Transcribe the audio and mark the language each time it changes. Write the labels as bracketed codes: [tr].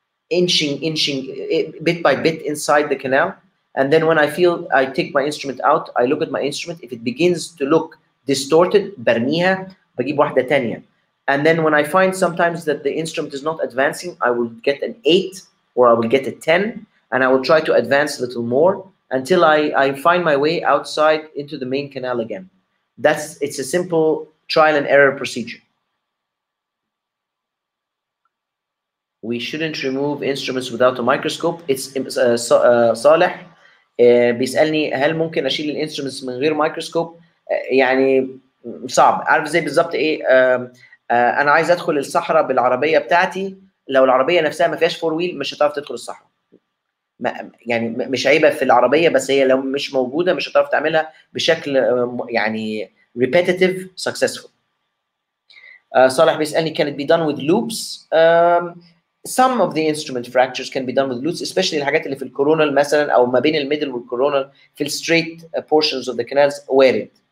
[en] inching bit by bit inside the canal and then when I feel I take my instrument out I look at my instrument if it begins to look distorted [ar] برميها بجيب واحده ثانيه [en] and then when I find sometimes that the instrument is not advancing I will get an 8 or I will get a 10 and I will try to advance a little more until I find my way outside into the main canal again. It's a simple trial and error procedure. We shouldn't remove instruments without a microscope. It's [ar] Saleh بيسألني هل ممكن أشيل الـ instruments من غير microscope؟ يعني صعب. عارف زي بالظبط إيه؟ أنا عايز أدخل الصحراء بالعربية بتاعتي، لو العربية نفسها ما فيهاش فور ويل مش هتعرف تدخل الصحراء. ما يعني مش عيبه في العربيه، بس هي لو مش موجوده مش هتعرف تعملها بشكل يعني ريبيتيتيف سكسسفول. صالح بيسالني [en] can it be done with loops؟ some of the instrument fractures can be done with loops especially [ar] الحاجات اللي في الكورونال مثلا او ما بين الميدل والكورونال في الستريت [en] portions of the canals [ar] وارد.